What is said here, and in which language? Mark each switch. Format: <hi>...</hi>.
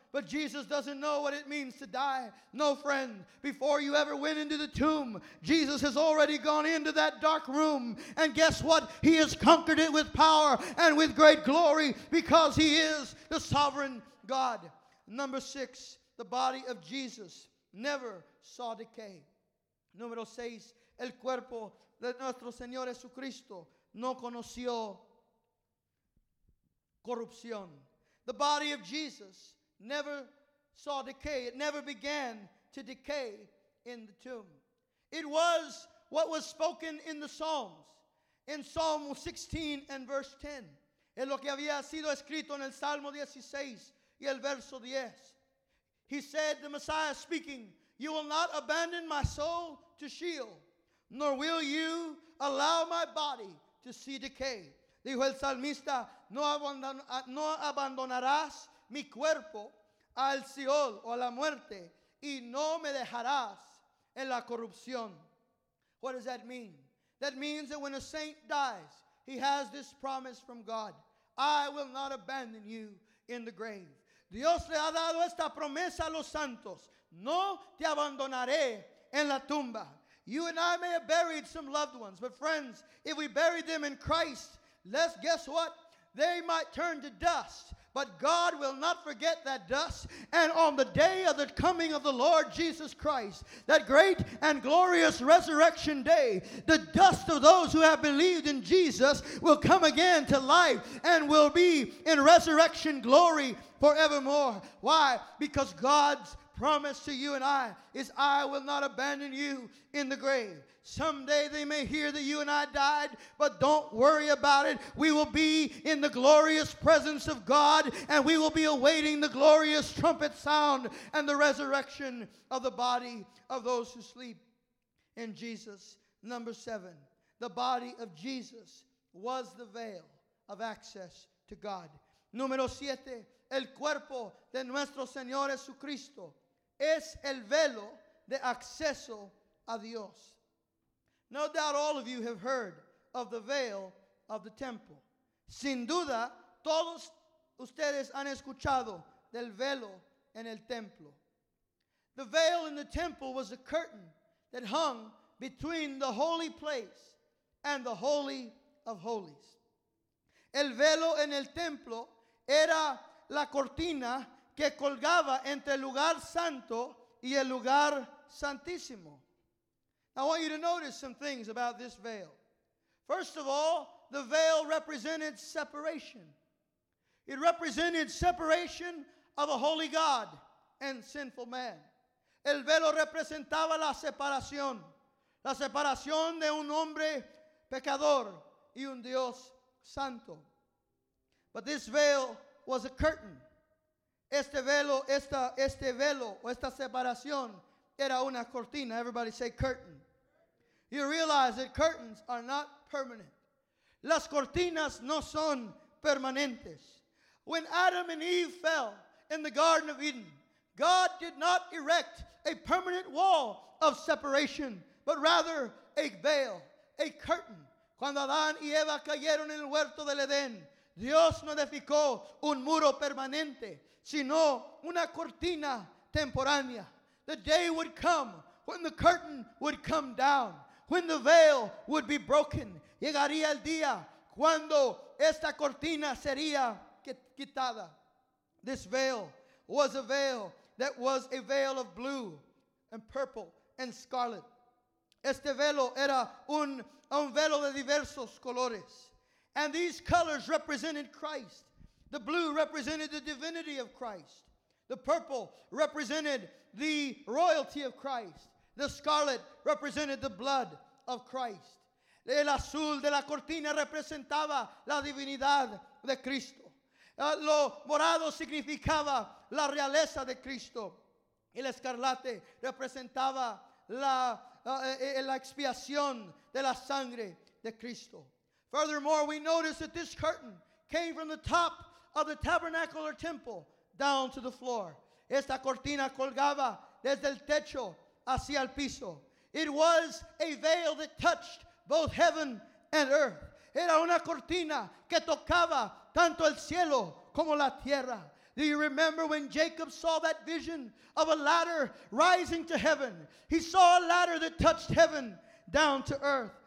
<en>But Jesus doesn't know what it means to die. No, friend, before you ever went into the tomb, Jesus has already gone into that dark room. And guess what? He has conquered it with power and with great glory, because he is the sovereign God. Number six, the body of Jesus never saw decay.</en> <es>Número seis, el cuerpo de nuestro Señor Jesucristo no conoció corrupción.</es> <en>The body of Jesus never saw decay. It never began to decay in the tomb. It was what was spoken in the Psalms. In Psalm 16 and verse 10.</en> <es>En lo que había sido escrito en el Salmo 16 y el verso 10.</es> <en>He said, the Messiah speaking, you will not abandon my soul to Sheol, nor will you allow my body to see decay.</en> <es>Dijo el salmista, no abandonarás mi cuerpo al Sheol o a la muerte, y no me dejarás en la corrupción.</es> <en>What does that mean? That means that when a saint dies, he has this promise from God. I will not abandon you in the grave.</en> <es>Dios le ha dado esta promesa a los santos. No te abandonaré en la tumba.</es> <en>You and I may have buried some loved ones, but friends, if we buried them in Christ, let's guess what? They might turn to dust, but God will not forget that dust. And on the day of the coming of the Lord Jesus Christ, that great and glorious resurrection day, the dust of those who have believed in Jesus will come again to life and will be in resurrection glory forevermore. Why? Because God's promise to you and I is, I will not abandon you in the grave. Someday they may hear that you and I died, but don't worry about it. We will be in the glorious presence of God, and we will be awaiting the glorious trumpet sound and the resurrection of the body of those who sleep in Jesus. Number seven, the body of Jesus was the veil of access to God.</en> <es>Número siete, el cuerpo de nuestro Señor Jesucristo es el velo de acceso a Dios.</es> <en>No doubt all of you have heard of the veil of the temple.</en> <es>Sin duda, todos ustedes han escuchado del velo en el templo.</es> <en>The veil in the temple was a curtain that hung between the holy place and the holy of holies.</en> <es>El velo en el templo era la cortina que colgaba entre el lugar santo y el lugar santísimo.</es> <en>I want you to notice some things about this veil. First of all, the veil represented separation. It represented separation of a holy God and sinful man.</en> <es>El velo representaba la separación de un hombre pecador y un Dios santo.</es> <en>But this veil was a curtain.</en> <es>Esta separación era una cortina.</es> <en>Everybody say curtain. You realize that curtains are not permanent.</en> <es>Las cortinas no son permanentes.</es> <en>When Adam and Eve fell in the Garden of Eden, God did not erect a permanent wall of separation, but rather a veil, a curtain.</en> <es>Cuando Adán y Eva cayeron en el huerto del Edén, Dios no edificó un muro permanente, sino una cortina temporánea.</es> <en>The day would come when the curtain would come down, when the veil would be broken.</en> <es>Llegaría el día cuando esta cortina sería quitada.</es> <en>This veil was a veil that was a veil of blue and purple and scarlet.</en> <es>Este velo era un velo de diversos colores.</es> <en>And these colors represented Christ. The blue represented the divinity of Christ. The purple represented the royalty of Christ. The scarlet represented the blood of Christ.</en> <es>El azul de la cortina representaba la divinidad de Cristo. Lo morado significaba la realeza de Cristo. El escarlate representaba la expiación de la sangre de Cristo.</es> <en>Furthermore, we notice that this curtain came from the top of the tabernacle or temple down to the floor.</en> <es>Esta cortina colgaba desde el techo hacia el piso.</es> <en>It was a veil that touched both heaven and earth.</en> <es>Era una cortina que tocaba tanto el cielo como la tierra.</es> <en>Do you remember when Jacob saw that vision of a ladder rising to heaven? He saw a ladder that touched heaven down to earth.</en>